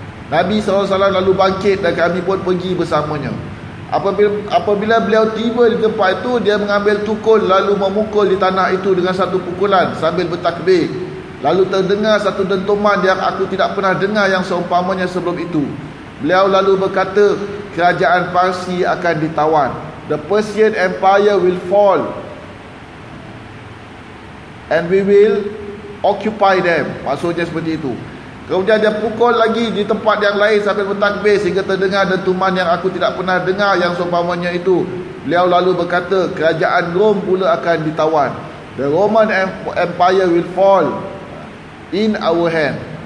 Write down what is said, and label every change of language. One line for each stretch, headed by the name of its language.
Malay: Nabi SAW lalu bangkit dan kami pun pergi bersamanya. Apabila beliau tiba di tempat itu, dia mengambil tukul lalu memukul di tanah itu dengan satu pukulan sambil bertakbir. Lalu terdengar satu dentuman yang aku tidak pernah dengar yang seumpamanya sebelum itu. Beliau lalu berkata, kerajaan Parsi akan ditawan.
English: The Persian Empire will fall and we will occupy them.
Malay: Maksudnya seperti itu. Kemudian dia pukul lagi di tempat yang lain sambil bertakbir sehingga terdengar dentuman yang aku tidak pernah dengar yang seumpamanya itu. Beliau lalu berkata, kerajaan Rom pula akan ditawan.
English: The Roman Empire will fall in our hand.